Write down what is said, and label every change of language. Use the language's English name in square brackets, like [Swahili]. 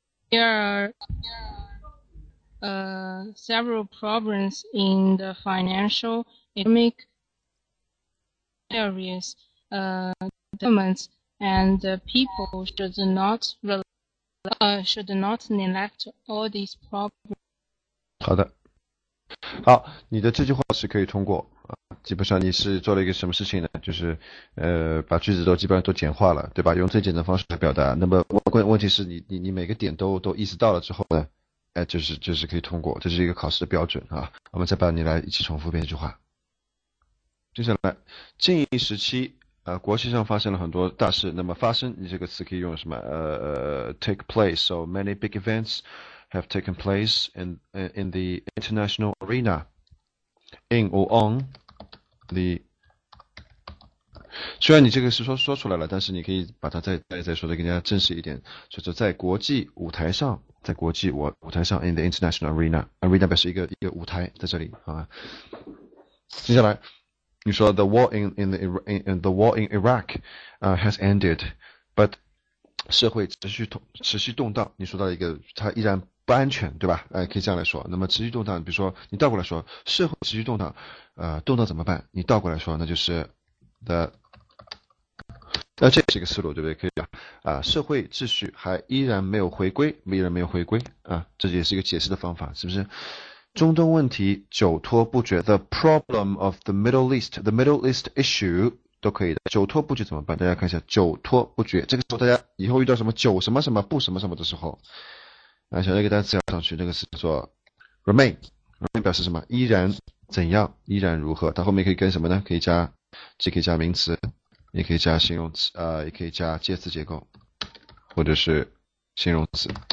[English] There are several problems in the financial, economic areas. Governments and the people should not neglect all these problems. [Chinese] 好的，好，你的这句话是可以通过。基本上你是做了一个什么事情呢？就是把句子都基本上都简化了，对吧？用最简单的方式来表达。那么问题是你每个点都意识到了之后呢，就是可以通过，这是一个考试的标准啊。我们再把你来一起重复一遍这句话。接下来，近一时期国际上发生了很多大事。那么发生，你这个词可以用什么？ [English] take place. So many big events have taken place in the international arena. In or on. [Chinese] 虽然你这个是说出来了，但是你可以把它再说的更加正式一点，就是在国际舞台上，在国际舞台上 ， [English] in the international arena [Chinese] 表示一个舞台，在这里啊。接下来，你说 [English] the war in Iraq has ended, but [Chinese] 社会持续动荡，你说到一个它依然不安全，对吧？可以这样来说。那么持续动荡，比如说你倒过来说，社会持续动荡。动荡怎么办？你倒过来说，那就是 the， 那这是一个思路，对不对？可以讲社会秩序还依然没有回归，依然没有回归啊，这也是一个解释的方法，是不是？中东问题久拖不决 ， [English] the problem of the Middle East issue [Chinese] 都可以的。久拖不决怎么办？大家看一下，久拖不决，这个时候大家以后遇到什么久什么什么不什么什么的时候，想那个单词要上去，那个词叫做 remain 表示什么？依然。怎样依然如何，它后面可以跟什么呢？可以加，既可以加名词，也可以加形容词，也可以加介词结构或者是形容词。